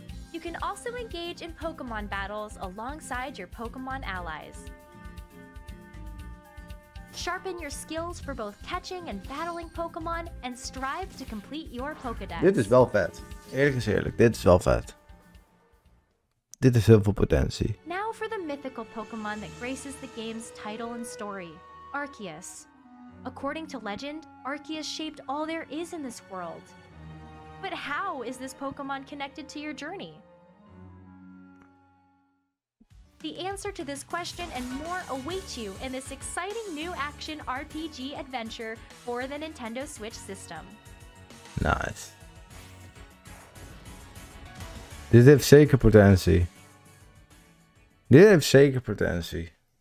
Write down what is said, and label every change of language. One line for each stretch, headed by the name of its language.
English: You can also engage in Pokemon battles alongside your Pokemon allies. Sharpen your skills for both catching and battling Pokemon and strive to complete your Pokédex.
Dutch: Dit is wel vet. Eerlijk is eerlijk, dit is wel vet. Dit is heel veel potentie.
English: Now for the mythical Pokemon that graces the game's title and story, Arceus. According to legend, Arceus shaped all there is in this world. But how is this Pokemon connected to your journey? The answer to this question and more awaits you in this exciting new action RPG adventure for the Nintendo Switch system. Nice.
Dutch: Dit heeft zeker potentie. Dit heeft zeker potentie.